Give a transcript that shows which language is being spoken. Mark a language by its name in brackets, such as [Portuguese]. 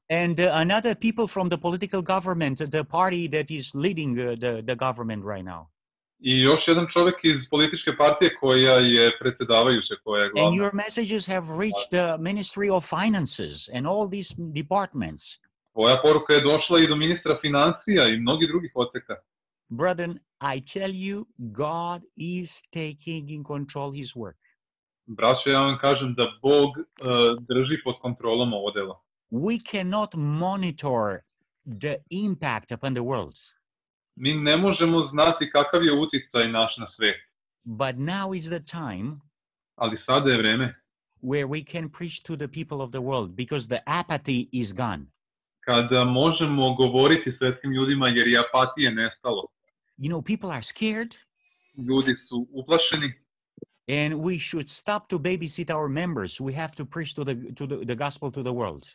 [English] And another people from the political government, the party that is leading the government right now. [Serbian] I još jedan čovjek iz političke partije koja je predsjedavajuća, koja je glavna. [English] And your messages have reached the Ministry of Finances and all these departments. [Serbian] Tvoja poruka je došla i do ministra financija i mnogih drugih odseka. [English] Brethren, I tell you, God is taking in control his work. [Serbian] Braćo, ja vam kažem da Bog drži pod kontrolom ovo delo. [English] We cannot monitor the impact upon the world. [Serbian] Mi ne možemo znati kakav je uticaj naš na svet. [English] But now is the time. [Serbian] Ali sada je vreme. [English] Where we can preach to the people of the world because the apathy is gone. [Serbian] Kada možemo govoriti svetskim ljudima jer je apatije nestalo. [English] You know, people are scared. [Serbian] Ljudi su uplašeni. [English] And we should stop to babysit our members. We have to preach to the gospel to the world.